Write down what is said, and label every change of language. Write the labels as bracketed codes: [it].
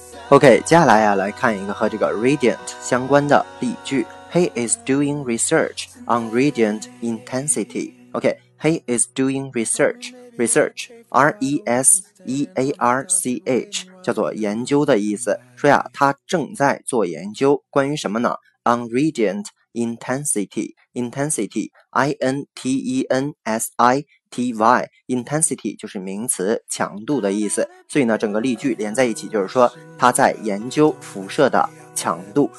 [zh] OK， 接下来啊来看一个和这个 radiant 相关的例句。 [en] He is doing research on radiant intensity. OK， He is doing research. [zh] Research, R-E-S-E-A-R-C-H， 叫做研究的意思，说呀他正在做研究，关于什么呢？ [en] On radiant intensity. [zh] Intensity, I-N-T-E-N-S-I-T-Y， Intensity 就是名词，强度的意思，所以呢整个例句连在一起就是说他在研究辐射的强度。